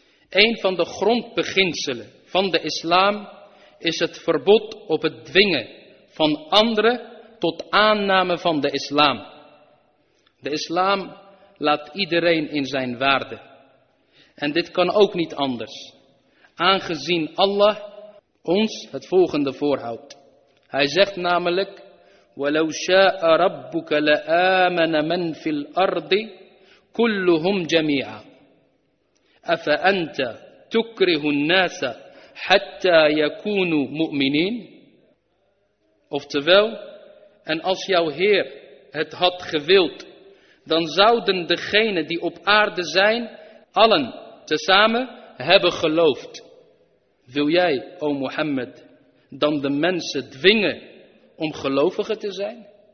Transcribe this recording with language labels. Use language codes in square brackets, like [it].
[nl] Een van de grondbeginselen van de islam is het verbod op het dwingen van anderen tot aanname van de islam. De islam laat iedereen in zijn waarde. En dit kan ook niet anders, aangezien Allah ons het volgende voorhoudt. Hij zegt namelijk: [ar] وَلَوْ شَاءَ رَبُّكَ لَآمَنَ مَنْ فِي الْأَرْضِ كُلُّهُمْ جَمِيعًا أَفَأَنْتَ تُكْرِهُ النَّاسَ حَتَّى يَكُونُوا مُؤْمِنِينَ. [nl] Oftewel, en als jouw Heer het had gewild, dan zouden degenen die op aarde zijn allen tezamen hebben geloofd. Wil jij, o Mohammed, dan de mensen dwingen om gelovigen te zijn?